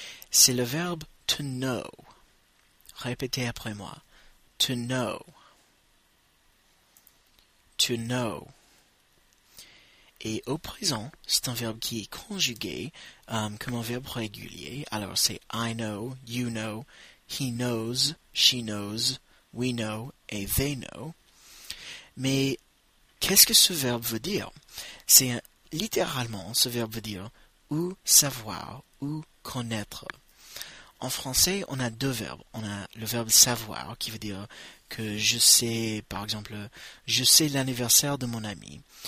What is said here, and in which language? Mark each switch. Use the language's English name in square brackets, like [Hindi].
[French] C'est le verbe « [English] to know [French] ». Répétez après moi. [English] « To know ». « To know ». [French] Et au présent, c'est un verbe qui est conjugué comme un verbe régulier. Alors, c'est [English] « I know »,« you know ». He knows, she knows, we know, et they know. [French] Mais qu'est-ce que ce verbe veut dire? C'est littéralement, ce verbe veut dire ou savoir ou connaître. En français, on a deux verbes. On a le verbe savoir qui veut dire que je sais, par exemple, je sais l'anniversaire de mon ami.